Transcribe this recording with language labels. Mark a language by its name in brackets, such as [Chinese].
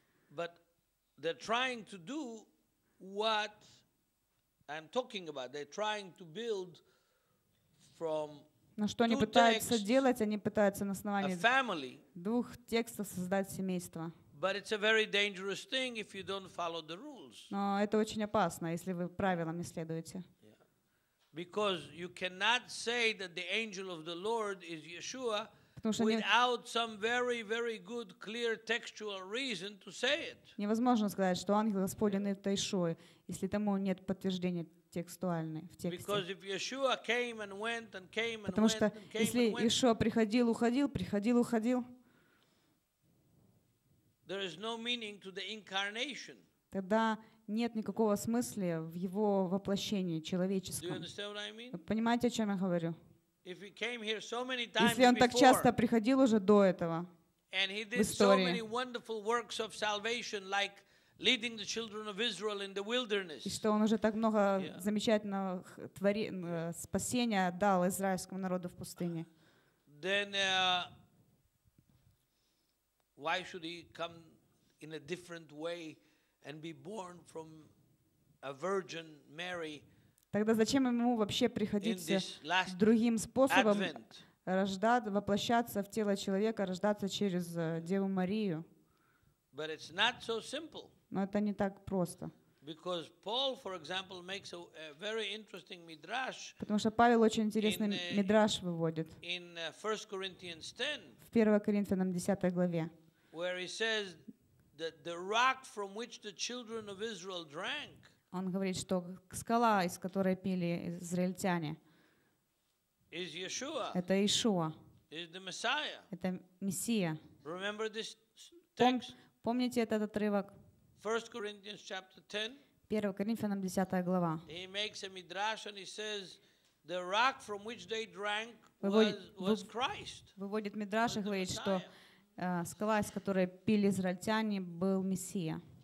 [English] But they're trying to do what I'm talking about. They're trying to build from. [Russian] Но что они пытаются делать? Они пытаются на основании двух текстов создать семейство. [English] But it's a very dangerous thing if you don't follow the rules. [Russian] Но это очень опасно, если вы правилам не следуете. [English] Because you cannot say that the angel of the Lord is Yeshua without some very, very good, clear textual reason to say it. [Russian] Невозможно сказать, что ангел Господень это Иешуа, если тому нет подтверждения текстуальное в тексте. [English] Because if Yeshua came and went and came and went. [Russian] Потому что если Иешуа приходил, уходил, приходил, уходил. [English] There is no meaning to the incarnation. [Russian] Тогда нет никакого смысла в его воплощении человеческом. [English] Do you understand what I mean? [Russian] Понимаете, о чем я говорю? [English] If he came here so many times before, [Russian] если он так часто приходил уже до этого в истории, [English] so many wonderful works of salvation, like leading the children of Israel in the wilderness. [Russian] И что он уже так много замечательного спасения дал израильскому народу в пустыне. [English] Then why should he come in a different way and be born from a virgin Mary? [Russian] Тогда зачем ему вообще приходиться другим способом рождаться, воплощаться в тело человека, рождаться через Деву Марию? [English] But it's not so simple. [Russian] Но это не так просто. [English] Because Paul, for example, makes a very interesting midrash. [Russian] Потому что Павел очень интересный мидраш выводит. [English] In 1 Corinthians 10. [Russian] В 1 Коринфянам 10 главе. [English] Where he says that the rock from which the children of Israel drank. [Russian] Он говорит, что скала, из которой пили израильтяне. [English] Is Yeshua. [Russian] Это Иешуа. [English] Is the Messiah. [Russian] Это Мессия. [English] Remember this text. [Russian] Помните этот отрывок? [English] 1 Corinthians chapter 10. [Russian] 1 Коринфянам 10 глава. [English] He makes a midrash and he says the rock from which they drank was Christ. [Russian] Выводит мидраш и говорит, что скала, из которой пили израильтяне, был Мессия.